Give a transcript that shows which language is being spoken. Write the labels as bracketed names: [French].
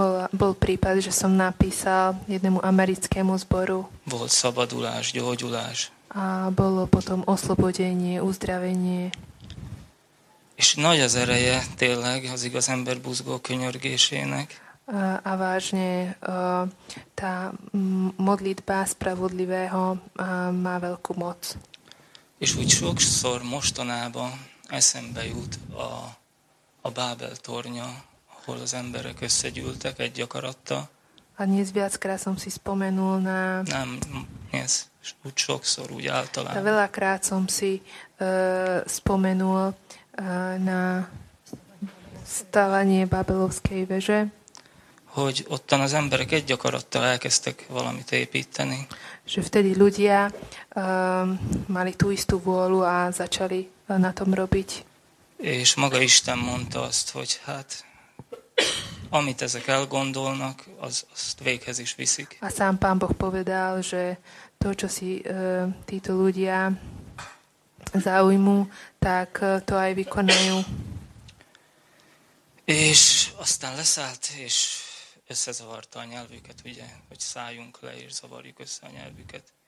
[Slovak] Bol prípad, že som napísal jednému americkému zboru. [Hungarian] Volt szabadulás, gyógyulás. [Slovak] A bolo potom oslobodenie, uzdravenie. [Hungarian] És nagy az ereje tényleg az igaz ember buzgó könyörgésének. [Slovak] A vážne, tá modlitba spravodlivého má veľkú moc. [Hungarian] És úgy sokszor mostanában eszembe jut a Bábel tornya, ahol az emberek összegyűltek egy akaratta. [Slovak] A dnes viackrát som si spomenul na... [Hungarian] Nem, [Slovak] dnes, [Hungarian] úgy sokszor, úgy általában. [Slovak] A veľakrát som si spomenul na stavanie Bábelovskej veže. [Hungarian] Hogy ottan az emberek egy akarattal elkezdtek valamit építeni. [Slovak] Že vtedy ľudia mali tú istú vôľu a začali na tom robiť. [Hungarian] És maga Isten mondta azt, hogy hát, amit ezek elgondolnak, azt véghez is viszik. [Slovak] A sám Pán Boh povedal, že to, čo si títo ľudia zaujmú, tak to aj vykonajú. [Hungarian] És aztán leszállt, és összezavarta a nyelvüket, ugye, hogy szálljunk le és zavarjuk össze a nyelvüket.